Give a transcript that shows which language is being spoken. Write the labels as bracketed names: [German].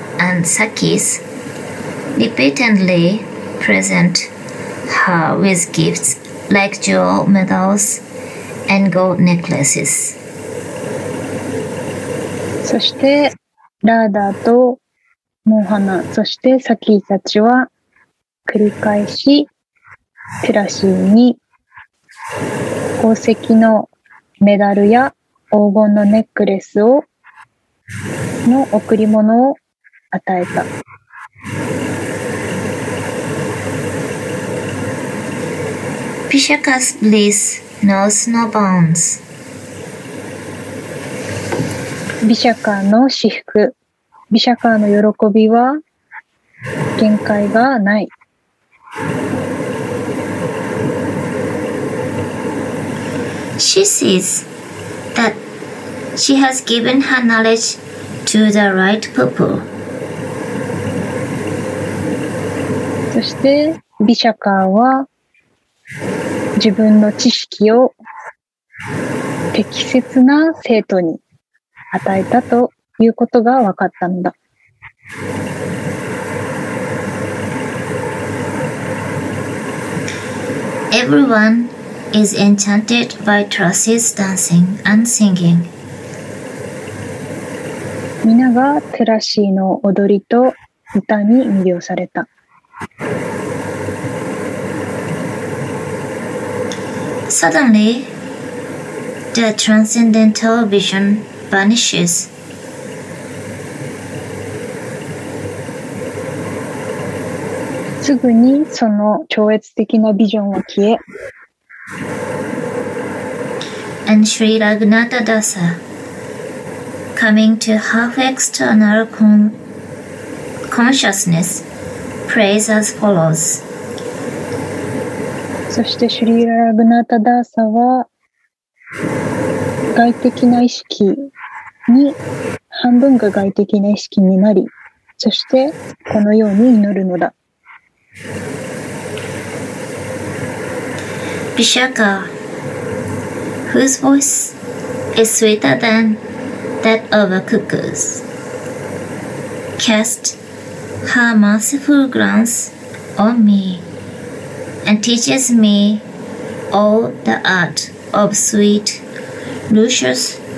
[English] And Sakis repeatedly present her with gifts like jewel medals and gold necklaces. [Japanese] そしてラーダとモハナ、そしてサキーたちは繰り返しテラシーに宝石のメダルや黄金のネックレスをの贈り物を与えた。 [English] Vishakha's bliss knows no bounds. [Japanese] Vishakha の至福、Vishakha の喜びは限界がない。 [English] She sees that she has given her knowledge to the right people. [Japanese] そしてビシャカーは自分の知識を適切な生徒に与えたということが分かったのだ。 [English] Everyone is enchanted by Trashi's dancing and singing. [Japanese] みんながテラシーの踊りと歌に魅了された。 [English] Suddenly, the transcendental vision vanishes. [Japanese] すぐにその超越的なビジョンは消え。 [English] And Sri Raghunatha Dasa, coming to half external consciousness, prays as follows. [Japanese] そしてシュリ・ラグナタ・ダーサは外的な意識に半分が外的な意識になり、そしてこのように祈るのだ。 [English] ビシャカ whose voice is sweeter than that of a cuckoo's, cast her merciful glance on meAnd teaches me all the art of sweet, luscious